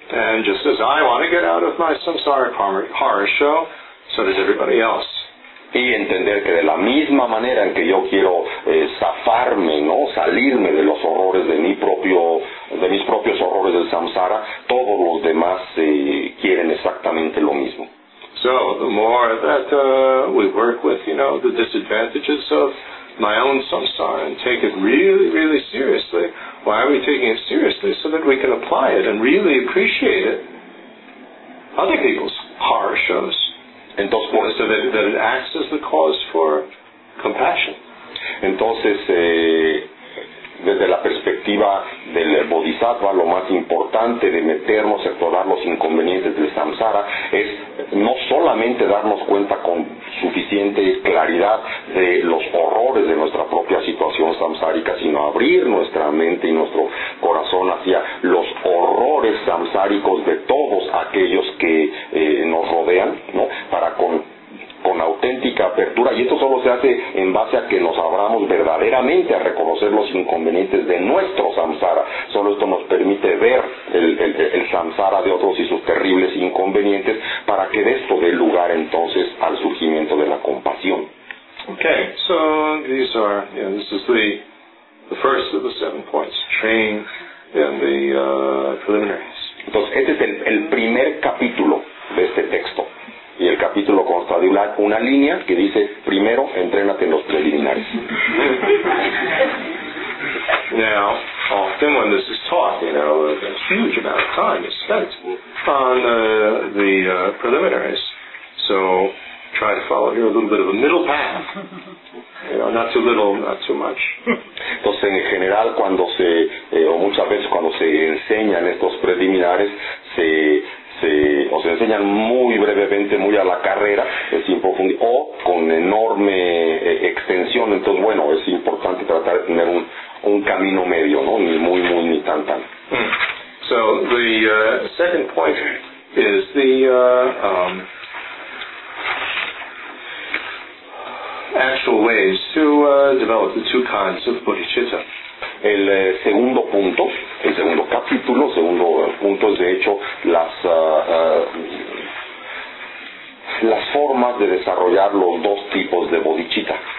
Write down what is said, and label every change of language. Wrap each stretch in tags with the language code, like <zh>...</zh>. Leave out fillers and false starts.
<en>And just as I want to get out of my samsaric horror show, so does everybody else.</en> <es>Y entender que de la misma manera en que yo quiero zafarme, ¿no?, salirme de los horrores de mi propio, de mis propios horrores del samsara, todos los demás quieren exactamente lo mismo.</es> <en>So, the more that we work with, the disadvantages of my own samsara and take it really, really seriously, why are we taking it seriously? So that we can apply it and really appreciate it. Other people's horror shows.</en> <es>Entonces, por eso</es> <en>that it acts as the cause for compassion.</en> <es>Entonces, desde la perspectiva del bodhisattva, lo más importante de meternos a explorar los inconvenientes del samsara es no solamente darnos cuenta con suficiente claridad de los horrores de nuestra propia situación samsárica, sino abrir nuestra mente y nuestro corazón hacia los horrores samsáricos de todos aquellos que nos rodean, ¿no?, para con auténtica apertura, y esto solo se hace en base a que nos abramos verdaderamente a reconocer los inconvenientes de nuestro samsara. Solo esto nos permite ver el samsara de otros y sus terribles inconvenientes, para que de esto dé lugar entonces al surgimiento de la compasión.</es> <en>Okay, so these are, this is the first of the 7 points, training and the preliminaries.</en> <es>Entonces, este es el primer capítulo de este texto. Y el capítulo consta de una línea que dice, primero, entrénate en los preliminares.</es> <en>Now, often when this is taught, a huge amount of time is spent on the preliminaries. So, try to follow here a little bit of a middle path. Not too little, not too much.</en> <es>Entonces, en general, cuando se, o muchas veces cuando se enseñan estos preliminares, se enseñan muy brevemente, muy a la carrera, sin profundidad, o con enorme extensión. Entonces, bueno, es importante tratar de tener un camino medio, ¿no? Ni muy, muy, ni tan, tan.</es> <en>So, the second point is ways to develop the two kinds of bodhicitta.</en> <es>El segundo punto, el segundo capítulo, segundo punto es de hecho las formas de desarrollar los dos tipos de bodhicitta.</es>